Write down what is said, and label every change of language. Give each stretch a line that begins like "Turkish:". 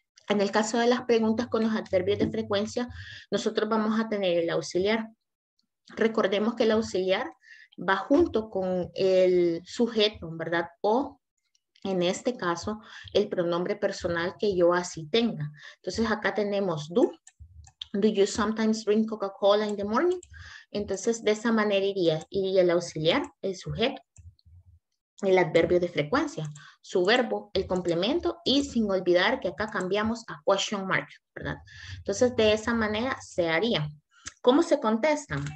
Spanish: En el caso de las preguntas con los adverbios de frecuencia, nosotros vamos a tener el auxiliar. Recordemos que el auxiliar va junto con el sujeto, ¿verdad? O, en este caso, el pronombre personal que yo así tenga. Entonces, acá tenemos do.
English: Do you sometimes drink Coca-Cola in the morning?
Spanish: Entonces, de esa manera iría el auxiliar, el sujeto, el adverbio de frecuencia, su verbo, el complemento, y sin olvidar que acá cambiamos a question mark, ¿verdad? Entonces, de esa manera se haría. ¿Cómo se contestan?